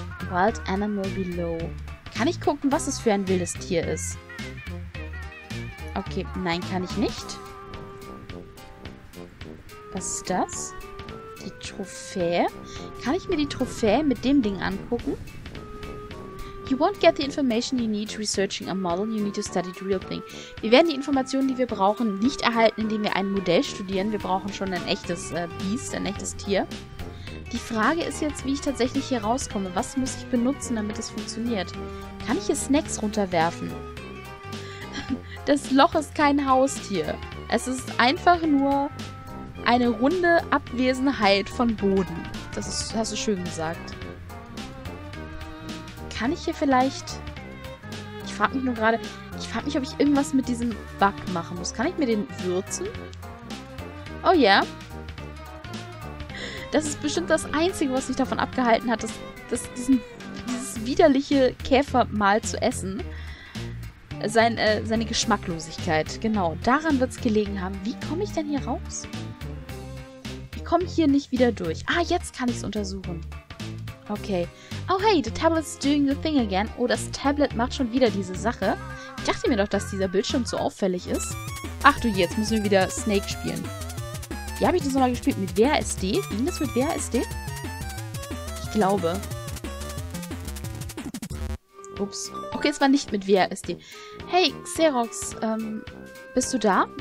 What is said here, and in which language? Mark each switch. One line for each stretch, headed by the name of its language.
English: Wild Animal Below.
German: Kann ich gucken, was es für ein wildes Tier ist? Okay, nein, kann ich nicht. Was ist das? Die Trophäe? Kann ich mir die Trophäe mit dem Ding angucken?
English: You won't get the information you need researching a model. You need to study the real thing.
German: Wir werden die Informationen, die wir brauchen, nicht erhalten, indem wir ein Modell studieren. Wir brauchen schon ein echtes Biest, ein echtes Tier. Die Frage ist jetzt, wie ich tatsächlich hier rauskomme. Was muss ich benutzen, damit es funktioniert? Kann ich hier Snacks runterwerfen? Das Loch ist kein Haustier. Es ist einfach nur eine runde Abwesenheit von Boden. Das ist, hast du schön gesagt. Kann ich hier vielleicht... Ich frag mich, ob ich irgendwas mit diesem Bug machen muss. Kann ich mir den würzen? Oh ja. Das ist bestimmt das Einzige, was mich davon abgehalten hat, dieses widerliche Käfermahl zu essen. Seine Geschmacklosigkeit. Genau, daran wird es gelegen haben. Wie komme ich denn hier raus? Ich komme hier nicht wieder durch. Ah, jetzt kann ich es untersuchen.
English: Okay. Oh hey, the tablet's doing the thing again.
German: Oh, das Tablet macht schon wieder diese Sache. Ich dachte mir doch, dass dieser Bildschirm zu auffällig ist. Ach du, jetzt müssen wir wieder Snake spielen. Wie habe ich das nochmal gespielt? Mit WASD? Ging das mit WASD? Ich glaube. Ups. Okay, es war nicht mit WASD. Hey, Xerox, bist du da?